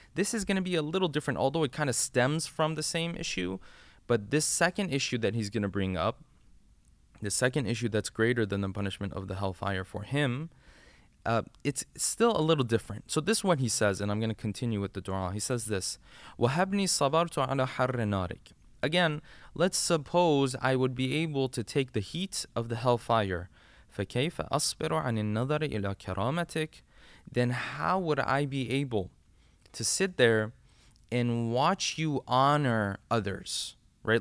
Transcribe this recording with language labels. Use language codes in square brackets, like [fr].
[en] This is going to be a little different, although it kind of stems from the same issue. But this second issue that he's going to bring up, the second issue that's greater than the punishment of the hellfire for him, it's still a little different. So this is what he says, and I'm going to continue with the dua. He says this, [ar] وَهَبْنِي صَبَرْتُ عَلَى حَرِّ نَارِكَ. [en] Again, let's suppose I would be able to take the heat of the hellfire. [ar] فَكَيْفَ أَصْبِرُ عَنِ النَّظَرِ إِلَىٰ كَرَامَتِكَ. [en] Then how would I be able to sit there and watch you honor others, right?